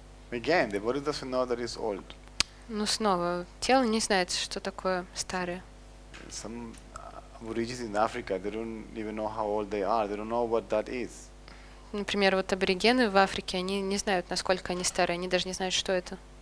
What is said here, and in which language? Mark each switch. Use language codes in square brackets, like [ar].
[en] Again, the body doesn't know that it's old. [ru] Ну снова, тело не знает, что такое старое. [en] Some aborigines in Africa, they don't even know how old they are. They don't know what that is. [ru] Например, вот аборигены в Африке, они не знают, насколько они старые, они даже не знают, что это.